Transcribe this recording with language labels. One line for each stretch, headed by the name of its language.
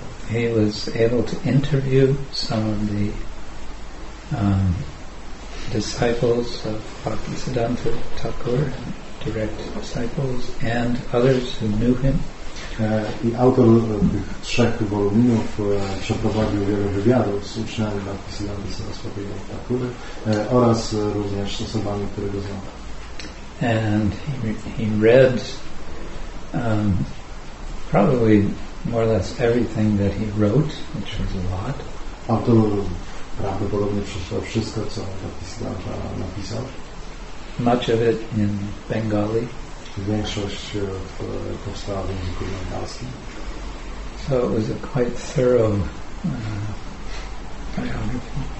English: He was able to interview some of the disciples of Bhaktisiddhanta Thakur, direct disciples, and others who knew him.
Polish: I autor tych trzech woluminów przeprowadził wiele wywiadów z uczniami Bhaktisiddhanta Sarasvati Thakur oraz również z osobami, które go znał.
English: And he read probably more or less everything that he wrote, which was a lot.
Polish: Autor prawdopodobnie przeczytał wszystko, co Bhaktisiddhanta napisał.
English: Much of it in Bengali.
Polish: Większość powstała w języku bengalskim.
English: So it was a quite thorough biography.